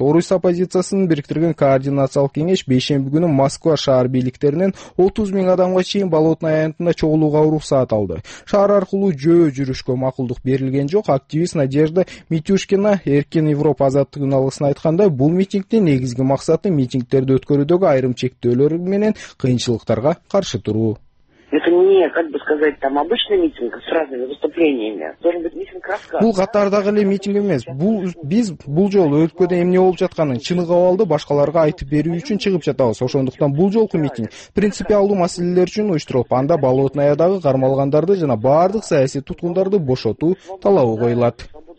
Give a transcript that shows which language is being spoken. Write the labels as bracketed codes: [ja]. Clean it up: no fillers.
[ky] Орус оппозициясынын бириктирген координациялык кеңеш бейшемби күнү Москва шаар бийликтеринен 30 000 адамга чейин Болотная аянтында чогулууга уруксаат алды. Шаар аркылуу жөө жүрүшкө макулдук берилген жок. Активист Надежда Митюшкина Эркин Европа Азаттык үн алгысына айтканда, бул митингдин негизги максаты митингдерди өткөрүүдөгү айрым чектөөлөр менен кыйынчылыктарга каршы туруу. [ru] Это не, как бы сказать, там обычный митинг с разными выступлениями. Должен быть митинг рассказ. [ky] Бул катардагы эле митинг эмес. Бул биз бул жолу өткөдө эмне болуп жатканын чыныгып алды, башкаларга айтып берүү үчүн чыгып жатабыз. Ошондуктан бул жолку митинг принципиалдуу маселелер үчүн уюштурулуп, анда Болотноядагы кармалгандарды жана бардык саясий туткундарды бошотуу талабы коюлат.